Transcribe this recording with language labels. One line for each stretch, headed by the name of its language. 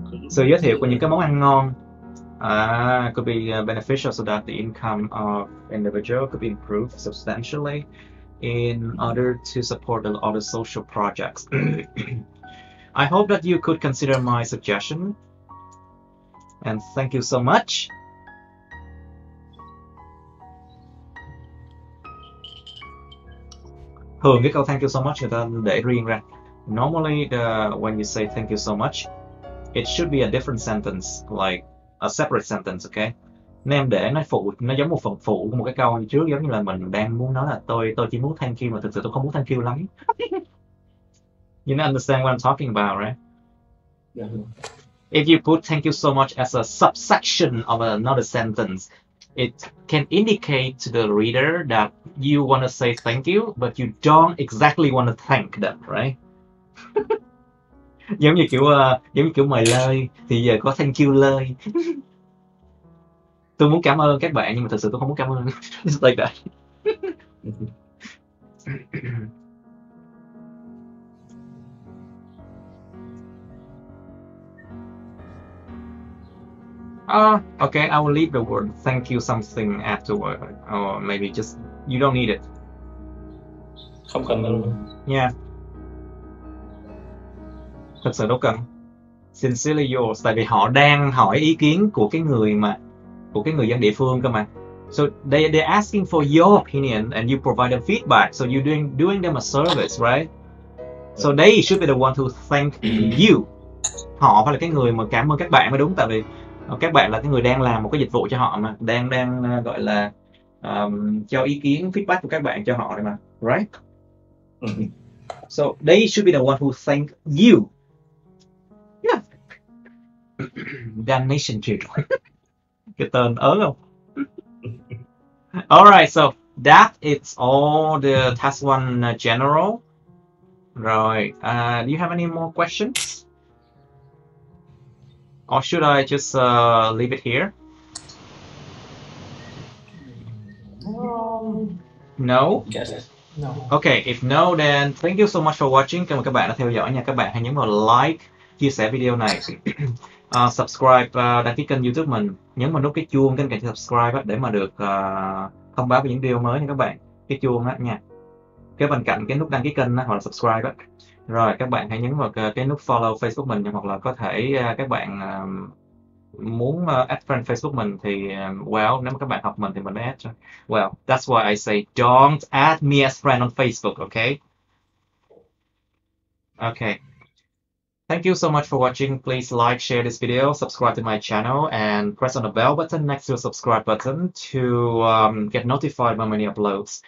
Vietnamese: Sự giới thiệu của những cái món ăn ngon.
English: Could be beneficial so that the income of individual could be improved substantially in order to support the other social projects. I hope that you could consider my suggestion. And thank you so much.
Vietnamese: Thường cái câu thank you so much người ta để riêng ra.
English: Normally, when you say thank you so much, it should be a different sentence, like a separate sentence, okay?
Vietnamese: Nên em để nó phụ, nó giống một phần phụ của một cái câu trước, giống như là mình đang muốn nói là tôi chỉ muốn thank you mà thực sự tôi không muốn thank you lắm.
English: You know, understand what I'm talking about, right? If you put thank you so much as a subsection of another sentence, it can indicate to the reader that you want to say thank you, but you don't exactly want to thank them, right?
Vietnamese: giống như kiểu mời lời thì giờ có thank you lời. Tôi muốn cảm ơn các bạn nhưng mà thật sự tôi không muốn cảm ơn.
English: Just like that. Okay, I will leave the word thank you something afterward, or maybe just you don't need it.
Vietnamese: Không cần đâu.
English: Yeah.
Vietnamese: Thật sự đâu cần.
English: Sincerely yours,
Vietnamese: tại vì họ đang hỏi ý kiến của cái người mà của cái người dân địa phương cơ mà.
English: So they're asking for your opinion and you provide them feedback. So you're doing them a service, right? So they should be the one to thank you.
Vietnamese: Họ phải là cái người mà cảm ơn các bạn mới đúng, tại vì các bạn là cái người đang làm một cái dịch vụ cho họ mà, đang gọi là cho ý kiến feedback của các bạn cho họ đấy mà, right?
English: So they should be the one who thank you. Damnation children.
Vietnamese: Cái tên ớ không?
English: Alright, so that is all the task one general. Right, do you have any more questions? Or should I just leave it here? No? Guess no. Okay, if no, then thank you so much for watching.
Vietnamese: Cảm ơn các bạn đã theo dõi nha. Các bạn hãy nhấn vào like, chia sẻ video này. subscribe, đăng ký kênh YouTube mình. Nhấn vào nút cái chuông bên cạnh subscribe để mà được thông báo về những video mới nha các bạn. Cái chuông á nha. Cái bên cạnh cái nút đăng ký kênh đó, hoặc là subscribe á. Rồi các bạn hãy nhấn vào cái nút follow Facebook mình, hoặc là có thể các bạn muốn add friend Facebook mình thì well, nếu mà các bạn học mình thì mình add cho.
English: Well, that's why I say don't add me as friend on Facebook, okay? Okay. Thank you so much for watching. Please like, share this video, subscribe to my channel and press on the bell button next to the subscribe button to get notified when many uploads.